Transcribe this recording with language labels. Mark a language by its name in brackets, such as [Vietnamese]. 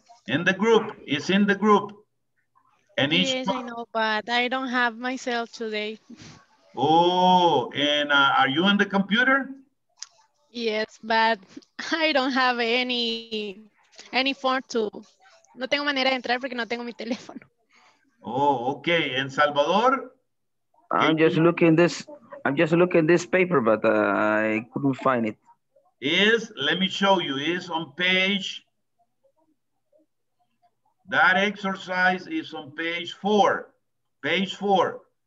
[English] In the group, it's in the group. And yes, I know, but I don't have myself today. Oh, and are you on the computer? Yes, but I don't have any form to. [Spanish] No tengo manera de entrar porque no tengo mi teléfono. [English] Oh, okay. And Salvador? I'm just looking this paper, but I couldn't find it. Let me show you. It's on page. That exercise is on page 4. Page 4.